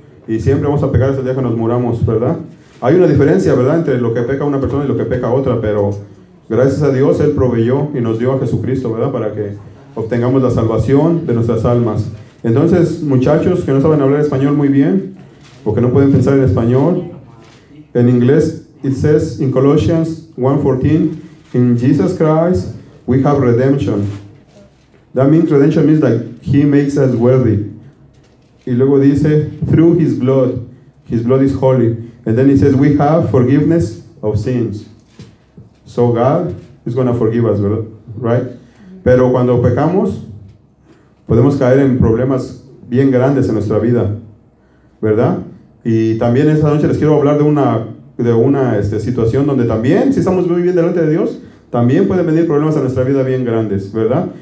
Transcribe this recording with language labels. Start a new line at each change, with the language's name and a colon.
Spanish: Y siempre vamos a pecar hasta el día que nos muramos, ¿verdad? Hay una diferencia, ¿verdad?, entre lo que peca una persona y lo que peca otra, pero gracias a Dios, Él proveyó y nos dio a Jesucristo, ¿verdad?, para que obtengamos la salvación de nuestras almas. Entonces, muchachos que no saben hablar español muy bien, o que no pueden pensar en español, en inglés,
English: it says in Colossians 1:14, in Jesus Christ, we have redemption. That means redemption means that He makes us worthy.
Spanish: Y luego dice,
English: through His blood is holy. And then it says, we have forgiveness of sins. So God is going to forgive us, ¿verdad? Right?
Spanish: Pero cuando pecamos, podemos caer en problemas bien grandes en nuestra vida, ¿verdad? Y también esta noche les quiero hablar de una situación donde también, si estamos muy bien delante de Dios, también pueden venir problemas a nuestra vida bien grandes, ¿verdad?